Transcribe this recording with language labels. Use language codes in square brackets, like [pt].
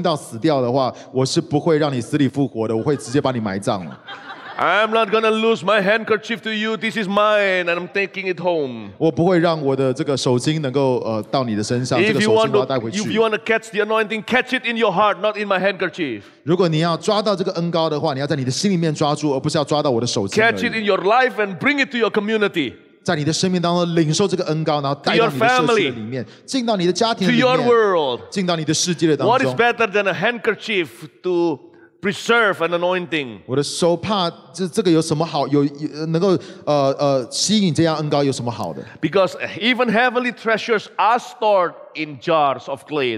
[zh] 因为如果你在我的信息的当中听到死掉的话，我是不会让你死里复活的， 我会直接把你埋葬了。 [en] I'm not gonna lose my handkerchief to you. This is mine, and I'm taking it home. [zh] 我不会让我的这个手巾能够到你的身上。 [en] If you want to catch the anointing, catch it in your heart, not in my handkerchief. [zh] 如果你要抓到这个恩膏的话，你要在你的心里面抓住，而不是要抓到我的手巾。 [en] Catch it in your life and bring it to your community. [zh] 在你的生命当中领受这个恩膏，然后带到你的社区里面， [en] your family, [zh] 进到你的家庭里面， [en] to your world, [zh] 进到你的世界当中。 [en] What is better than a handkerchief to preserve an anointing? [zh] 我的手帕，这个有什么好，能够吸引这样恩膏有什么好的？ [en] Because even heavenly treasures are stored in jars of clay.